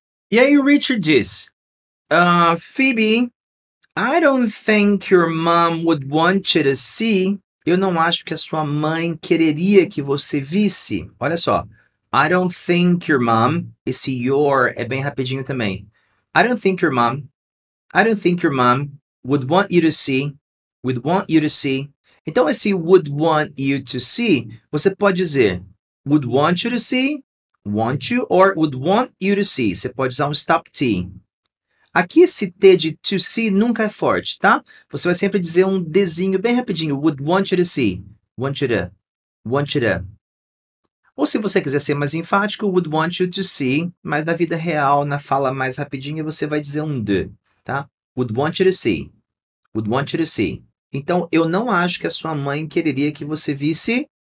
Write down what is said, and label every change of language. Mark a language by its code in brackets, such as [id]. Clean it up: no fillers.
[pt] E aí o Richard diz, [en] Phoebe, I don't think your mom would want you to see. [pt] Eu não acho que a sua mãe quereria que você visse. Olha só. [en] I don't think your mom. [pt] Esse your é bem rapidinho também. [en] I don't think your mom. I don't think your mom. Would want you to see, would want you to see. [pt] Então, esse [en] would want you to see, [pt] você pode dizer [en] would want you to see, want you, or would want you to see. [pt] Você pode usar um stop T. Aqui, esse T de to see nunca é forte, tá? Você vai sempre dizer um Dzinho bem rapidinho. [en] Would want you to see, want you to, want you to. [pt] Ou se você quiser ser mais enfático, [en] would want you to see. [pt] Mas na vida real, na fala mais rapidinha, você vai dizer um D, tá? [en] Would want you to see. [pt] Would want you to see. Então, eu não acho que a sua mãe quereria que você visse.